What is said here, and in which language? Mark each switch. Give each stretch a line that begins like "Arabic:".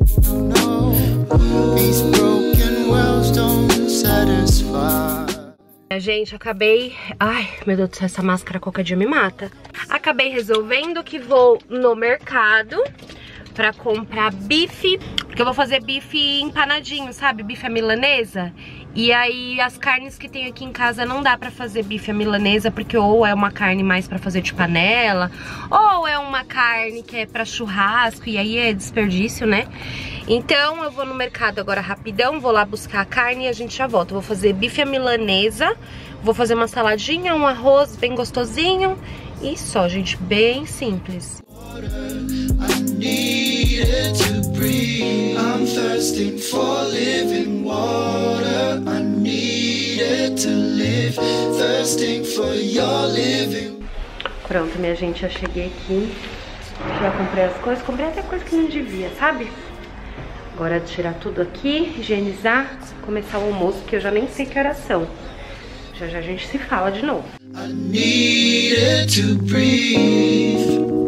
English: No, these broken wells don't satisfy.
Portuguese: Gente, acabei... Ai, meu Deus do céu, essa máscara qualquer dia me mata. Acabei resolvendo que vou no mercado pra comprar bife, porque eu vou fazer bife empanadinho, sabe? Bife à milanesa. E aí, as carnes que tem aqui em casa não dá pra fazer bife à milanesa, porque ou é uma carne mais pra fazer de panela, ou é uma carne que é pra churrasco, e aí é desperdício, né? Então, eu vou no mercado agora rapidão, vou lá buscar a carne e a gente já volta. Vou fazer bife à milanesa, vou fazer uma saladinha, um arroz bem gostosinho, e só, gente, bem simples.
English: I'm thirsting for living water. I needed to live. Thirsting for your living.
Portuguese: Pronto, minha gente, eu cheguei aqui. Já comprei as coisas. Comprei até coisa que não devia, sabe? Agora tirar tudo aqui, higienizar, começar o almoço, que eu já nem sei que horas são. Já já a gente se fala de novo.
English: I needed to breathe.